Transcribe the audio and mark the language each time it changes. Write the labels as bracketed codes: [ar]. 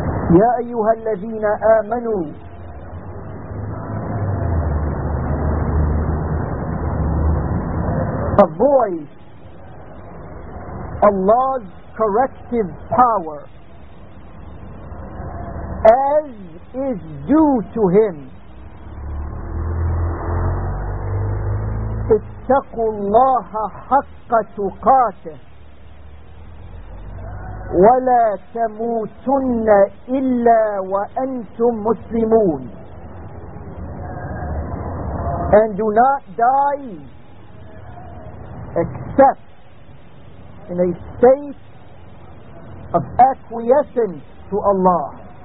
[ar] يا أيها الذين آمنوا، [en] avoid Allah's corrective power as is due to him. [ar] اتقوا الله حق تقاته ولا تموتن إلا وأنتم مسلمون. [en] and do not die except in a state of acquiescence to Allah.